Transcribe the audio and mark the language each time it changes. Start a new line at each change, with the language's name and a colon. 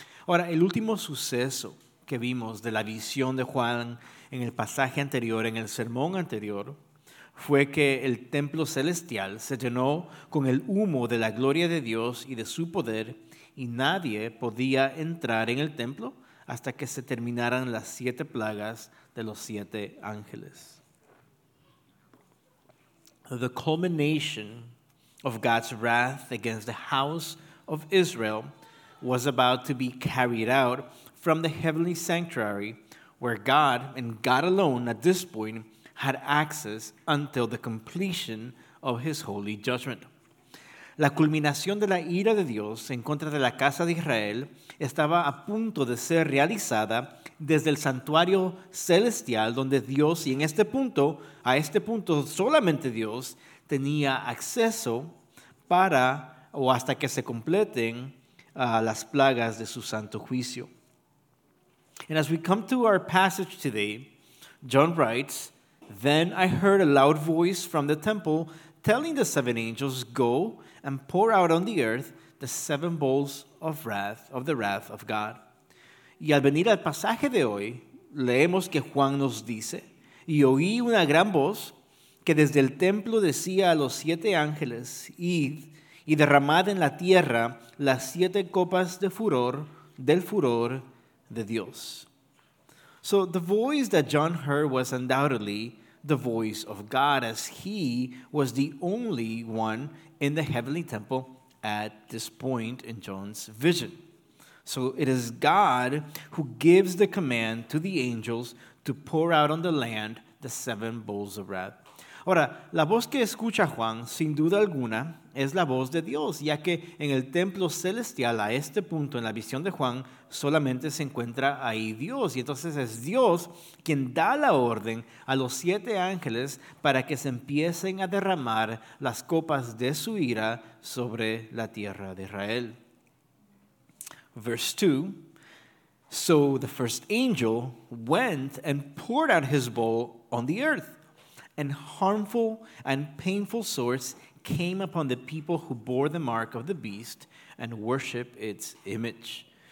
Spanish: Ahora, el último suceso que vimos de la visión de Juan en el pasaje anterior, en el sermón anterior, fue que el templo celestial se llenó con el humo de la gloria de Dios y de su poder, y nadie podía entrar en el templo hasta que se terminaran las siete plagas de los siete ángeles.
English: The culmination of God's wrath against the house of Israel was about to be carried out from the heavenly sanctuary where God and God alone at this point had access until the completion of his holy judgment.
Spanish: La culminación de la ira de Dios en contra de la casa de Israel estaba a punto de ser realizada desde el santuario celestial donde Dios, y en este punto, a este punto solamente Dios tenía acceso para o hasta que se completen las plagas de su santo juicio.
English: And as we come to our passage today, John writes, "Then I heard a loud voice from the temple telling the seven angels, 'Go and pour out on the earth the seven bowls of wrath, of the wrath of God.'"
Spanish: Y al venir al pasaje de hoy, leemos que Juan nos dice, "Y oí una gran voz que desde el templo decía a los siete ángeles, 'Id y derramad en la tierra las siete copas de furor, del furor de Dios.'"
English: So the voice that John heard was undoubtedly the voice of God, as he was the only one in the heavenly temple at this point in John's vision. So it is God who gives the command to the angels to pour out on the land the seven bowls of wrath.
Spanish: Ahora, la voz que escucha Juan, sin duda alguna, es la voz de Dios, ya que en el templo celestial, a este punto, en la visión de Juan, solamente se encuentra ahí Dios. Y entonces es Dios quien da la orden a los siete ángeles para que se empiecen a derramar las copas de su ira sobre la tierra de Israel.
English: Verse 2, "So the first angel went and poured out his bowl on the earth, and harmful and painful sores came upon the people who bore the mark of the beast and worship its image."